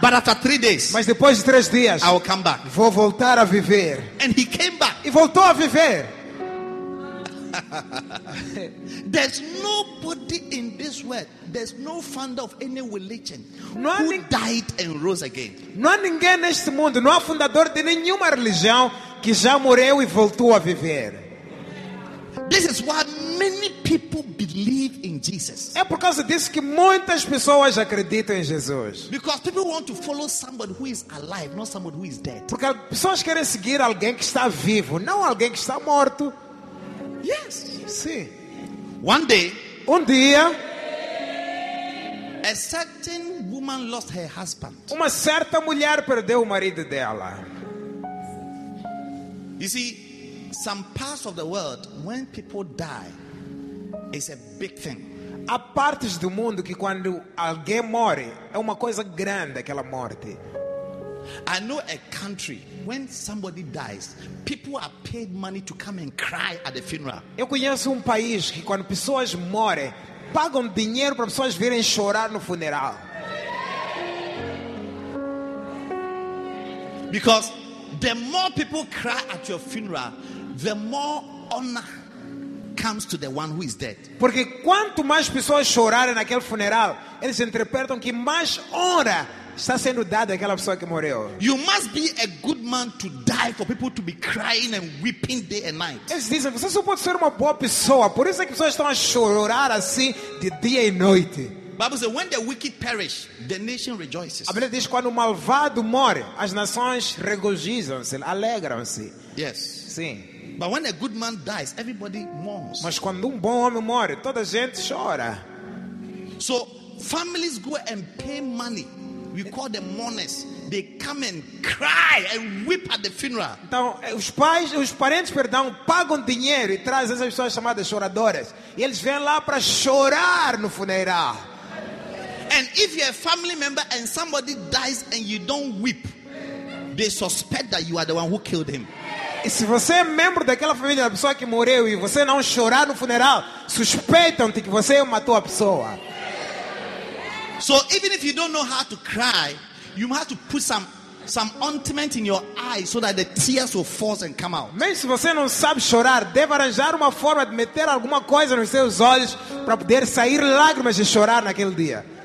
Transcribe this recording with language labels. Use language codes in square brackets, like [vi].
[en] But after 3 days. [pt] Mas depois de 3 dias. [en] I will come back. [pt] Vou voltar a viver. [en] And he came back. [pt] E voltou a viver. [en] There's nobody in this world. There's no founder of any religion who died and rose again. [pt] Não há ninguém neste mundo, não há fundador de nenhuma religião que já morreu e voltou a viver. [en] This is why many people believe in Jesus. [pt] É por causa disso que muitas pessoas acreditam em Jesus. [en] Because people want to follow somebody who is alive, not somebody who is dead. [pt] Porque pessoas querem seguir alguém que está vivo, não alguém que está morto. [en] Yes. See. One day, [pt] um dia, [en] a certain woman lost her husband. [pt] Uma certa mulher perdeu o marido dela. [en] You see, some parts of the world, when people die, it's a big thing. [pt] Há partes do mundo que quando alguém morre, é uma coisa grande aquela morte. [en] I know a country when somebody dies, people are paid money to come and cry at the funeral. [pt] Eu conheço país que quando pessoas morrem, pagam dinheiro para pessoas virem chorar no funeral. [en] Because the more people cry at your funeral, the more honor comes to the one who is dead. [pt] Porque quanto mais pessoas chorarem naquele funeral, eles interpretam que mais honra está sendo dado àquela pessoa que morreu. [en] You must be a good man to die for people to be crying and weeping day and night. [pt] Eles dizem, você só pode ser uma boa pessoa, por isso é que pessoas estão a chorar assim de dia e noite. [en] Bible says, when the wicked perish, the nation rejoices. [pt] A Bíblia diz, quando o malvado morre, as nações regozijam-se, alegram-se. [en] Yes. [pt] Sim. [en] But when a good man dies, everybody mourns. [pt] Mas quando bom homem morre, toda a gente chora. [en] So, families go and pay money. We call them mourners. They come and cry and weep at the funeral. [pt] Então, os parentes, pagam dinheiro e trazem essas pessoas chamadas choradoras. E eles vêm lá para chorar no funeral. [en] And if you're a family member and somebody dies and you don't weep, they suspect that you are the one who killed him. [pt] E se você é membro daquela família da pessoa que morreu e você não chorar no funeral, suspeitam-te que você matou a pessoa. [en] So even if you don't know how to cry, you have to put some ointment in your eyes so that the tears will fall and come out. [pt] Mesmo se você não sabe chorar, deve arranjar uma forma de meter alguma coisa nos seus olhos para poder sair lágrimas de chorar naquele dia.